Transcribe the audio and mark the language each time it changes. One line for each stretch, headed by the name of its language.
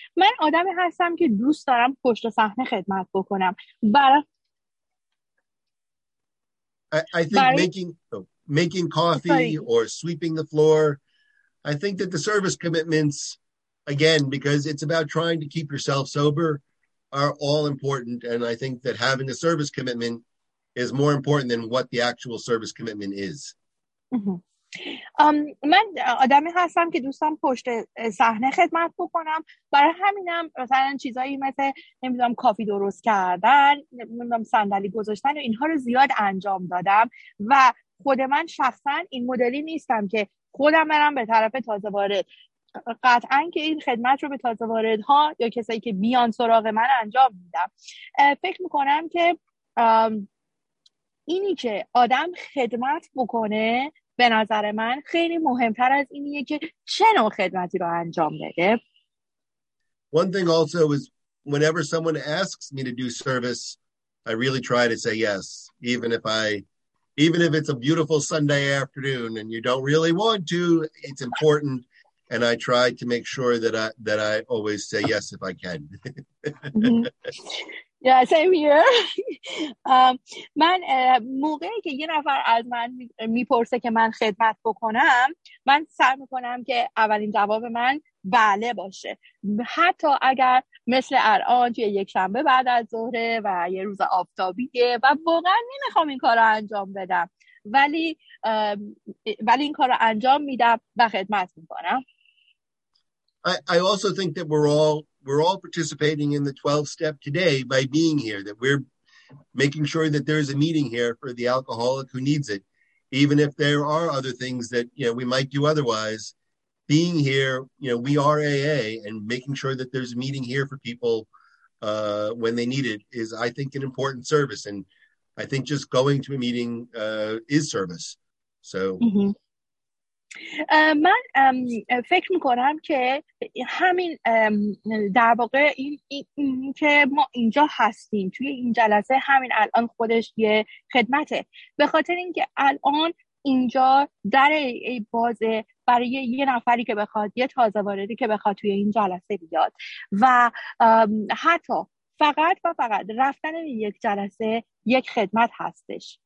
Persian: من آدمی هستم که دوست دارم پشت صحنه خدمت بکنم.
English: I think making coffee or sweeping the floor, I think that the service commitments, again, because it's about trying to keep yourself sober, are all important. And I think that having a service commitment is more important than what the actual service commitment is.
Persian: من آدمی هستم که دوستم پشت صحنه خدمت بکنم، برای همینم مثلا چیزایی مثل نمیدونم کافی درست کردن، نمیدونم صندلی گذاشتن و اینها رو زیاد انجام دادم و خود من شخصا این مدلی نیستم که خودم برم به طرف تازه وارد. قطعا که این خدمت رو به تازه واردها یا کسایی که بیان سراغ من انجام میدم. فکر میکنم که اینی که آدم خدمت بکنه به نظر من خیلی مهمتر از اینیه که چه نوع خدمتی رو انجام بده.
English: One thing also is whenever someone asks me to do service, I really try to say yes, even if it's a beautiful Sunday afternoon and you don't really want to, it's important. And I try to make sure that I always say yes if I can. Yeah, same here.
Persian: من موقعی که یه نفر از من میپرسه که من خدمت بکنم، من سعی میکنم که اولین جواب من بله باشه، حتی اگر مثل الان توی یک شنبه بعد از ظهر و یه روز آفتابیه و واقعا نمیخوام این کار رو انجام بدم، ولی این کار رو انجام میدم و خدمت میکنم.
English: I also think that we're all participating in the 12 step today by being here, that we're making sure that there's a meeting here for the alcoholic who needs it. Even if there are other things that, you know, we might do otherwise, being here, you know, we are AA, and making sure that there's a meeting here for people when they need it is, I think, an important service. And I think just going to a meeting is service. So. Mm-hmm.
Persian: من فکر میکنم که همین در واقع این که ما اینجا هستیم توی این جلسه همین الان خودش یه خدمته، به خاطر اینکه الان اینجا در بازه برای یه نفری که بخواد، یه تازه واردی که بخواد توی این جلسه بیاد و حتی فقط و فقط رفتن یک جلسه یک خدمت هستش.